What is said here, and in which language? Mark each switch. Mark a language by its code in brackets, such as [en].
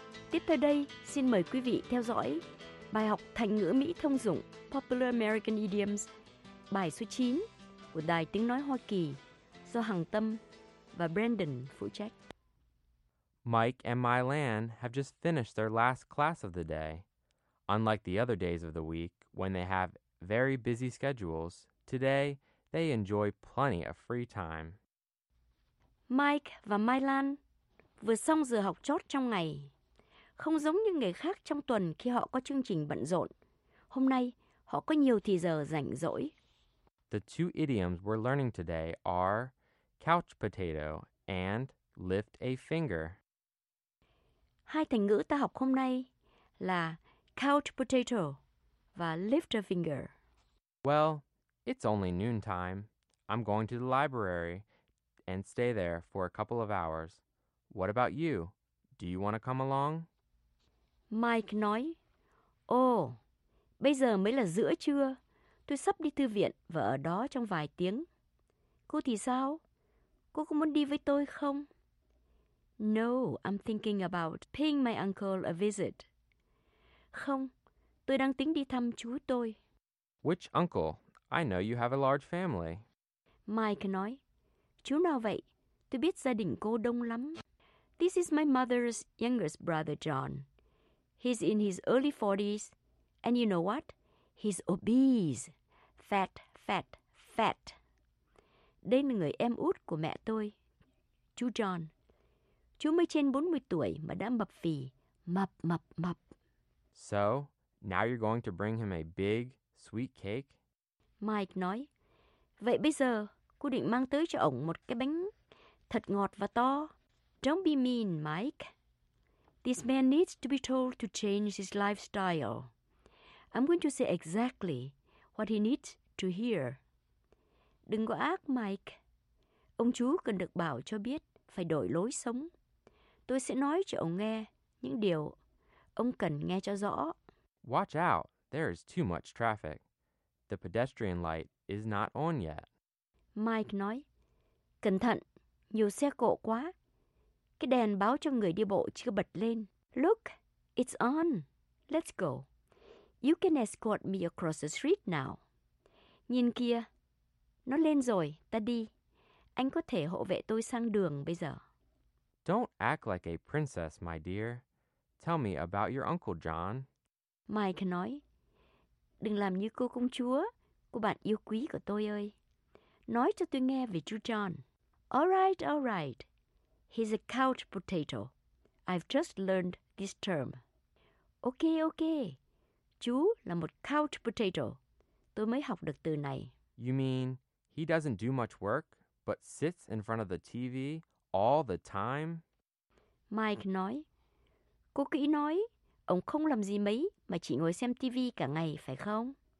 [vi] Tiếp theo đây, xin mời quý vị theo dõi bài học thành ngữ Mỹ thông dụng [en] Popular American Idioms, [vi] bài số 9 của Đài Tiếng Nói Hoa Kỳ do Hằng Tâm và Brandon phụ trách. [en] Mike and Mylan have just finished their last class of the day. Unlike the other days of the week, when they have very busy schedules, today they enjoy plenty of free time. [vi] Mike và Mylan vừa xong giờ học chót trong ngày. Không giống như ngày khác trong tuần khi họ có chương trình bận rộn, hôm nay họ có nhiều thời giờ rảnh rỗi. [en] The two idioms we're learning today are couch potato and lift a finger. [vi] Hai thành ngữ ta học hôm nay là [en] couch potato [vi] và [en] lift a finger. Well, it's only noontime. I'm going to the library and stay there for a couple of hours. What about you? Do you want to come along? [vi] Mike nói, Oh, bây giờ mới là giữa trưa. Tôi sắp đi thư viện và ở đó trong vài tiếng. Cô thì sao? Cô có muốn đi với tôi không? [en] No, I'm thinking about paying my uncle a visit. [vi] Không, tôi đang tính đi thăm chú tôi. [en] Which uncle? I know you have a large family. [vi] Mike nói, chú nào vậy? Tôi biết gia đình cô đông lắm. [en] This is my mother's youngest brother, John. He's in his early 40s. And you know what? He's obese. Fat, fat, fat. [vi] Đây là người em út của mẹ tôi, chú John. Chú mới trên 40 tuổi mà đã mập phì, mập, mập, mập. [en] So, now you're going to bring him a big, sweet cake? [vi] Mike nói, vậy bây giờ, cô định mang tới cho ổng một cái bánh thật ngọt và to. [en] Don't be mean, Mike. This man needs to be told to change his lifestyle. I'm going to say exactly what he needs to hear. [vi] Đừng có ác, Mike. Ông chú cần được bảo cho biết phải đổi lối sống. Tôi sẽ nói cho ông nghe những điều ông cần nghe cho rõ. [en] Watch out, there is too much traffic. The pedestrian light is not on yet. [vi] Mike nói, cẩn thận, nhiều xe cộ quá. Cái đèn báo cho người đi bộ chưa bật lên. [en] Look, it's on. Let's go. You can escort me across the street now. [vi] Nhìn kia, nó lên rồi, ta đi. Anh có thể hộ vệ tôi sang đường bây giờ. [en] Don't act like a princess, my dear. Tell me about your uncle John. [vi] Mike nói, đừng làm như cô công chúa, cô bạn yêu quý của tôi ơi. Nói cho tôi nghe về chú John. [en] Alright, alright. He's a couch potato. I've just learned this term. Okay, okay. [vi] Chú là một [en] couch potato. [vi] Tôi mới học được từ này. [en] You mean he doesn't do much work, but sits in front of the TV all the time? [vi] Mike nói, cô kỹ nói, ông không làm gì mấy mà chỉ ngồi xem TV cả ngày, phải không?